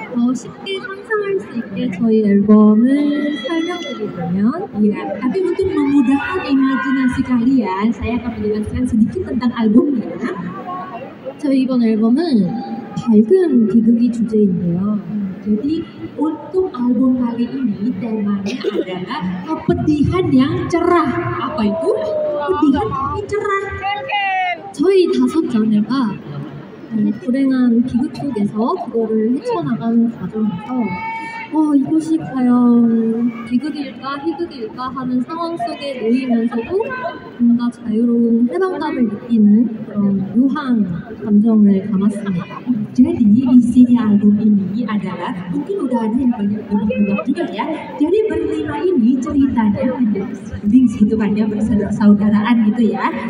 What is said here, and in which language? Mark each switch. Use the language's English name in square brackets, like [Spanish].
[Korean] 쉽게 상상할 수 있게 저희 앨범을 설명드리면 yeah. [Indonesian] Tapi untuk memudahkan imajinasi kalian, saya akan menjelaskan sedikit tentang albumnya. [Korean] 저희 이번 앨범은 밝은 비극이 주제인데요. [Indonesian] Jadi untuk album kali ini temanya adalah kepedihan yang cerah. Apa itu? Kepedihan yang cerah. [Korean] 저희 다섯 자녀가 불행한 비극 속에서 그거를 헤쳐나가는 과정에서 이것이 과연 비극일까 희극일까 하는 상황 속에 놓이면서도 뭔가 자유로운 해방감을 느끼는 그런 묘한 감정을 담았습니다. [Indonesian] Jadi isinya album ini adalah mungkin udah ada yang banyak juga ya. Jadi berlima ini ceritanya sibling gitu kan ya, bersaudaraan gitu ya.